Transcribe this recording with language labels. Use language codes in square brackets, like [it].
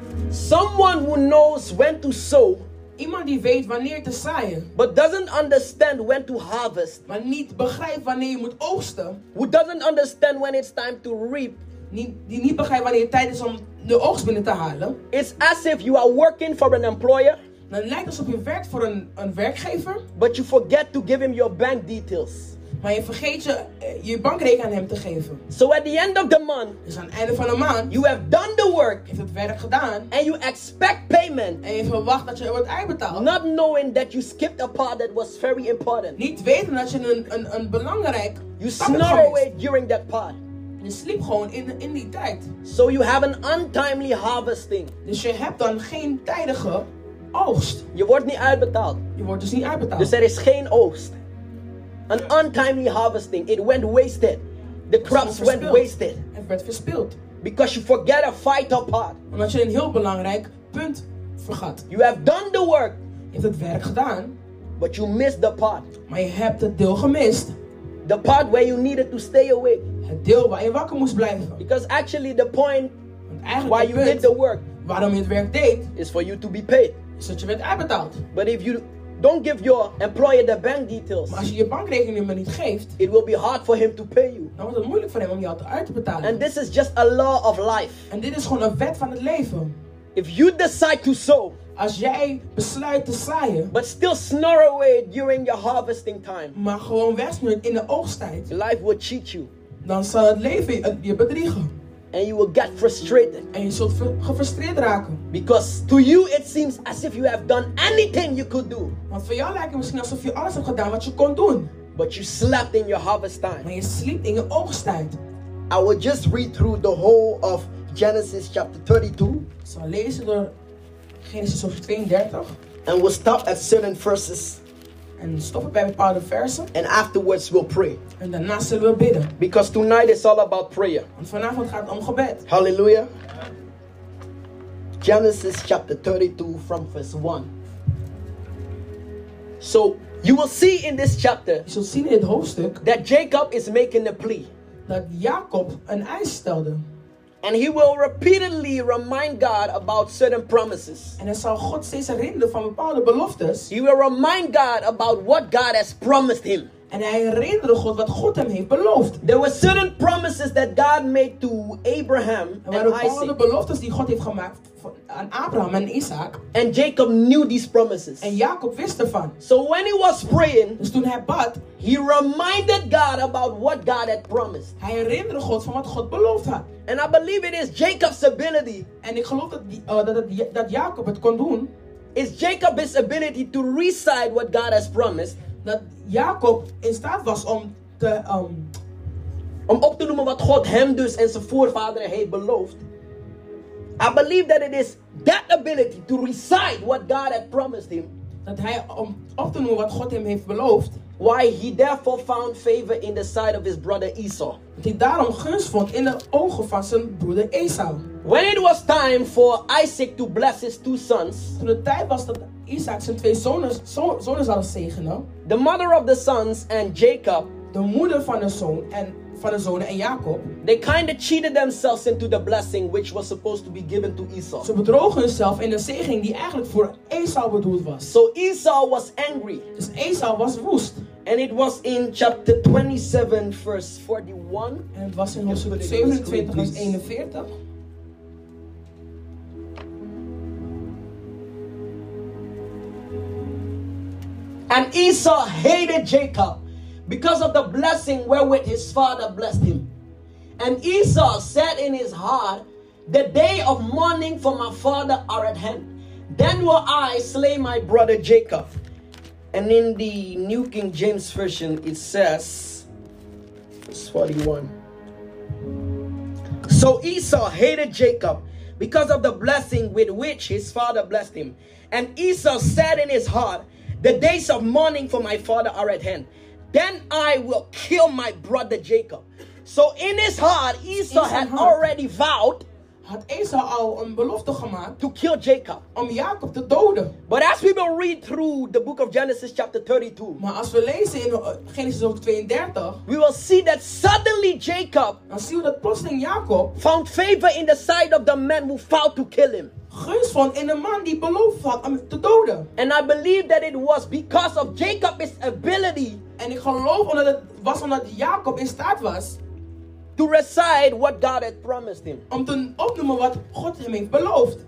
[en] Someone who knows when to sow. [nl] Iemand die weet wanneer te zaaien. [en] But doesn't understand when to harvest. [nl] Maar niet begrijpt wanneer je moet oogsten. [en] Who doesn't understand when it's time to reap. [nl] Die niet begrijpt wanneer het tijd is om de oogst binnen te halen. [en] It's as if you are working for an employer. [nl] Dan lijkt alsof je werkt voor een werkgever. [en] But you forget to give him your bank details. [nl] Maar je vergeet je bankrekening aan hem te geven. [en] So at the end of the month. [nl] Dus aan het einde van de maand. [en] You have done the work. [nl] Heeft het werk gedaan. [en] And you expect payment. [nl] En je verwacht dat je er wordt uitbetaald. [en] Not knowing that you skipped a part that was very important. [nl] Niet weten dat je een belangrijk. [en] You snore away during that part. [nl] Je sliep gewoon in die tijd. [en] So you have an untimely harvesting. [nl] Dus je hebt dan geen tijdige oogst. Je wordt niet uitbetaald. Je wordt dus niet uitbetaald. Dus er is geen oogst. [en] An untimely harvesting. It went wasted. The crops went wasted. [nl] Het werd verspild. [en] Because you forget a vital part. [nl] Omdat je een heel belangrijk punt vergat. [en] You have done the work. [nl] Je hebt het werk gedaan. [en] But you missed the part. [nl] Maar je hebt het deel gemist. [en] The part where you needed to stay awake. [nl] Het deel waar je wakker moest blijven. [en] Because actually the point why you did the work, [nl] waarom je het werk deed, [en] is for you to be paid. [nl] Is dat je werd uitbetaald. [en] But if you Don't give your employer the bank details. [nl] Maar als je je bankrekening maar niet geeft, [en] it will be hard for him to pay you. [nl] Dan wordt het moeilijk voor hem om jou te uit te betalen. [en] And this is just a law of life. [nl] En dit is gewoon een wet van het leven. [en] If you decide to sow, [nl] als jij besluit te zaaien, [en] but still snore away during your harvesting time, [nl] maar gewoon wegsnoeit in de oogsttijd, [en] life will cheat you. [nl] Dan zal het leven je bedriegen. [en] And you will get frustrated. [nl] En je zult gefrustreerd raken. [en] Because to you it seems as if you have done anything you could do. [nl] Want voor jou lijkt het misschien alsof je alles hebt gedaan wat je kon doen. [en] But you slept in your harvest time. [nl] Maar je sliep in je oogsttijd. [en] I will just read through the whole of Genesis chapter 32. [nl] Ik zal lezen door Genesis 32. [en] And we'll stop at certain verses. [nl] En stoppen bij bepaalde versen. [en] And afterwards we'll pray. [nl] En daarna zullen we bidden. [en] Because tonight is all about prayer. [nl] Want vanavond gaat het om gebed. [en] Hallelujah. Genesis chapter 32 from verse 1. So you will see in this chapter. [nl] Je zult zien in het hoofdstuk. [en] That Jacob is making a plea. [nl] Dat Jacob een eis stelde. [en] And he will repeatedly remind God about certain promises. [nl] En hij zal God steeds herinneren van bepaalde beloftes. [en] He will remind God about what God has promised him. [nl] En hij herinnerde God wat God hem heeft beloofd. [en] There were certain promises that God made to Abraham and Isaac. [nl] Er waren bepaalde beloftes die God heeft gemaakt aan Abraham en Isaac. [en] And Jacob knew these promises. [nl] En Jacob wist ervan. [en] So when he was praying, [nl] dus toen hij bad, [en] he reminded God about what God had promised. [nl] Hij herinnerde God van wat God beloofd had. [en] And I believe it is Jacob's ability. [nl] En ik geloof dat Jacob het kon doen. [en] Is Jacob's ability to recite what God has promised. [nl] Dat Jacob in staat was om te om op te noemen wat God hem dus en zijn voorvaderen heeft beloofd. [en] I believe that it is that ability to recite what God had promised him. [nl] Dat hij om op te noemen wat God hem heeft beloofd. [en] Why he therefore found favor in the sight of his brother Esau. [nl] Dat hij daarom gunst vond in de ogen van zijn broeder Esau. [en] When it was time for Isaac to bless his two sons. [nl] Toen het tijd was dat Isaac zijn twee zonen zal zegenen. [en] The mother of the sons and Jacob. [nl] De moeder van de zonen en Jacob. [en] They kind of cheated themselves into the blessing which was supposed to be given to Esau. [nl] Ze bedrogen zichzelf in de zegening die eigenlijk voor Esau bedoeld was. [en] So Esau was angry. [nl] Dus Esau was woest. [en] And it was in chapter 27, verse 41. [nl] En het was in hoofdstuk 27, vers 41. [en] And Esau hated Jacob because of the blessing wherewith his father blessed him. And Esau said in his heart, the day of mourning for my father are at hand. Then will I slay my brother Jacob. And in the New King James Version, it says, verse 41. So Esau hated Jacob because of the blessing with which his father blessed him. And Esau said in his heart, the days of mourning for my father are at hand. Then I will kill my brother Jacob. So in his heart, Esau had already vowed. [nl] Had Esau al een belofte gemaakt. [en] To kill Jacob. [nl] Om Jacob te doden. [en] But as we will read through the book of Genesis chapter 32. [nl] Maar als we lezen in Genesis 32. [en] We will see that suddenly Jacob. [nl] Dan zien we dat plotseling Jacob. [en] Found favor in the sight of the man who vowed to kill him. [nl] Gunst vond in een man die beloofd had om te doden. [en] And I believe that it was because of Jacob's ability. [nl] En ik geloof omdat het was omdat Jacob in staat was. [en] To recite what God had promised him. [nl] Om te opnoemen wat God hem heeft beloofd.